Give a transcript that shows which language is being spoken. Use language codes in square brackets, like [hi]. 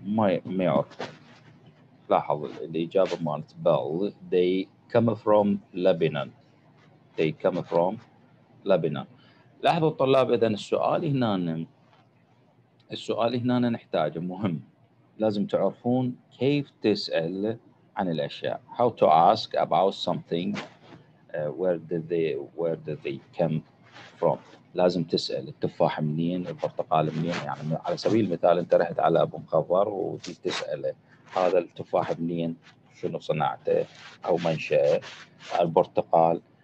[ar] ما يعرف. لاحظ الإجابة مالت بل. [en] They come from Lebanon. They come from Lebanon. [ar] لاحظوا الطلاب إذن السؤال هنا السؤال هنا نحتاجه مهم لازم تعرفون كيف تسأل عن الأشياء. [en] How to ask about something where did they come from. [ar] لازم تسأل التفاح منين البرتقال منين يعني على سبيل المثال أنت رحت على أبو مخضر وتسأل هذا التفاح منين شنو صنعته أو منشأه البرتقال.